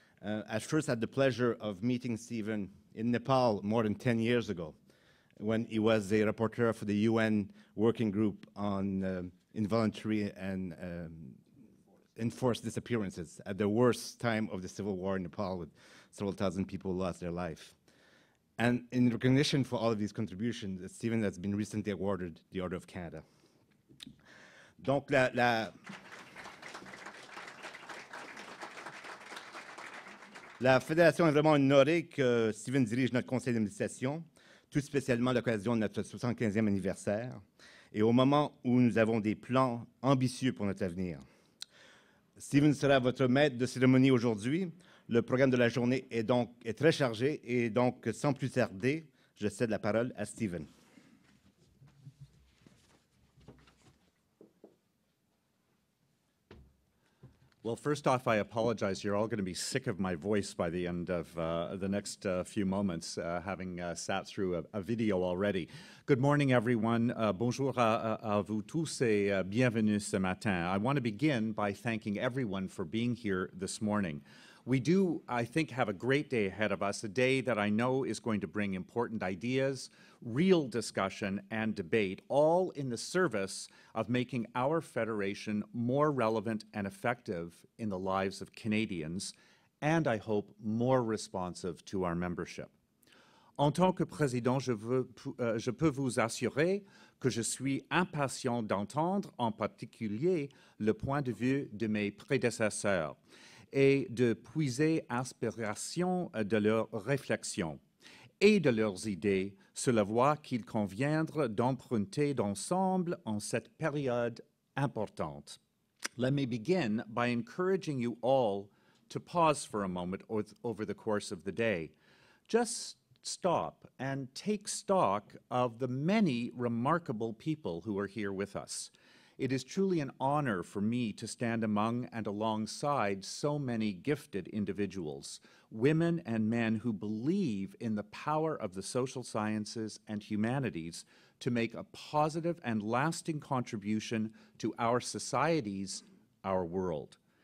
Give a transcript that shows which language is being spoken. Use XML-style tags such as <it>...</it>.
<en>At first, I had the pleasure of meeting Stephen in Nepal more than 10 years ago when he was a reporter for the UN Working Group on involuntary and enforced disappearances at the worst time of the civil war in Nepal, with several thousand people lost their life. And in recognition for all of these contributions, Stephen has been recently awarded the Order of Canada.</en> <fr>Donc, la Fédération est vraiment honorée que Stephen dirige notre conseil d'administration, tout spécialement à l'occasion de notre 75e anniversaire et au moment où nous avons des plans ambitieux pour notre avenir. Stephen sera votre maître de cérémonie aujourd'hui. Le programme de la journée est très chargé et donc, sans plus tarder, je cède la parole à Stephen.</fr> <en>Well, first off, I apologize. You're all going to be sick of my voice by the end of the next few moments, having sat through a video already. Good morning, everyone.</en> <fr>Bonjour à vous tous et bienvenue ce matin.</fr> <en>I want to begin by thanking everyone for being here this morning. We do, I think, have a great day ahead of us, a day that I know is going to bring important ideas, real discussion and debate, all in the service of making our Federation more relevant and effective in the lives of Canadians, and I hope more responsive to our membership.</en> <fr>En tant que président, je peux vous assurer que je suis impatient d'entendre en particulier le point de vue de mes prédécesseurs et de puiser inspiration de leurs réflexions et de leurs idées sur la voie qu'il conviendrait d'emprunter d'ensemble en cette période importante.</fr> <en>Let me begin by encouraging you all to pause for a moment over the course of the day. Just stop and take stock of the many remarkable people who are here with us. It is truly an honor for me to stand among and alongside so many gifted individuals, women and men who believe in the power of the social sciences and humanities to make a positive and lasting contribution to our societies, our world.</en>